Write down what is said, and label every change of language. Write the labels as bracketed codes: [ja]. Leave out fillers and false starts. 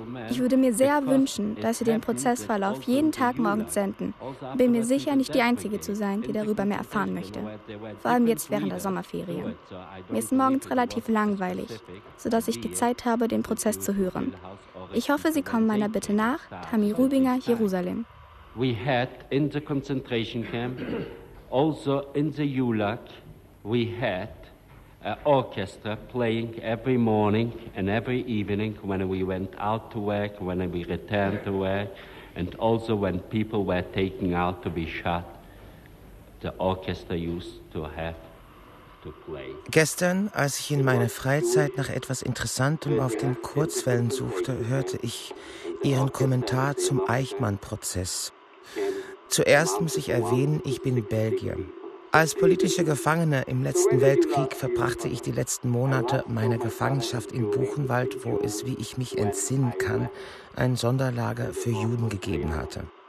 [de] Ich würde mir sehr wünschen, dass Sie den Prozessverlauf jeden Tag morgens senden. Bin mir sicher, nicht die Einzige zu sein, die darüber mehr erfahren möchte. Vor allem jetzt während der Sommerferien. Mir ist morgens relativ langweilig, sodass ich die Zeit habe, den Prozess zu hören. Ich hoffe, Sie kommen meiner Bitte nach, Tami Rubinger, Jerusalem. [en] We had in the concentration camp, also in the Yulak, we had an orchestra playing every morning and every evening when we went out to work, when we returned to work, and also when people were taken out to be shot, the orchestra used to have. [de] Gestern, als ich in meiner Freizeit nach etwas Interessantem auf den Kurzwellen suchte, hörte ich Ihren Kommentar zum Eichmann-Prozess. Zuerst muss ich erwähnen, ich bin Belgier. Als politischer Gefangener im letzten Weltkrieg verbrachte ich die letzten Monate meiner Gefangenschaft in Buchenwald, wo es, wie ich mich entsinnen kann, ein Sonderlager für Juden gegeben hatte.